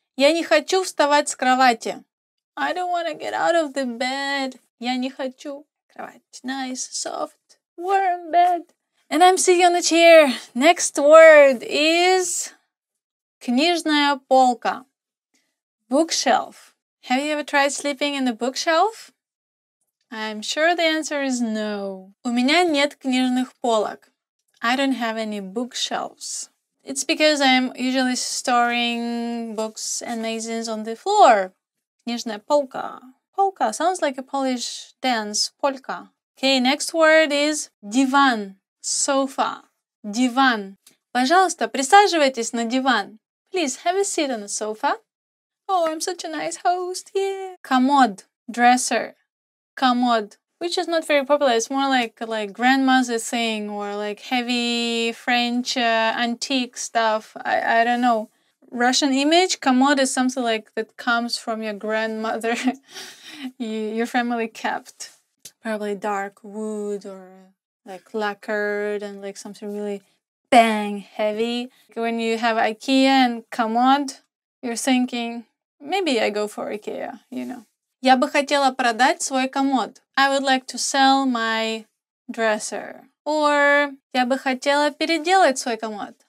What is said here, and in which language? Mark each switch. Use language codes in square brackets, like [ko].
[ru] Я не хочу вставать с кровати. [en] I don't want to get out of the bed. [ru] Я не хочу. Кровать. [en] Nice, soft, warm bed. And I'm sitting on a chair. Next word is [ru] книжная полка. [en] Bookshelf. Have you ever tried sleeping in the bookshelf? I'm sure the answer is no. [ru] У меня нет книжных полок. [en] I don't have any bookshelves. It's because I'm usually storing books and magazines on the floor. [ru] Книжная полка. [en] Полка sounds like a Polish dance. Полька. Okay, next word is [ru] диван. [en] Sofa. [ru] Диван. Пожалуйста, присаживайтесь на диван. [en] Please, have a seat on the sofa. Oh, I'm such a nice host, yeah. [ru] Комод. [en] Dresser. Комод. Which is not very popular. It's more like grandmother thing or like heavy French antique stuff. I don't know. Russian image, комод is something like that comes from your grandmother. your family kept. Probably dark wood or like lacquered and like something really bang heavy. When you have IKEA and commode, you're thinking, maybe I go for IKEA, you know. [ru] Я бы хотела продать свой комод. [en] I would like to sell my dresser. [ru] Or, я бы хотела переделать свой комод.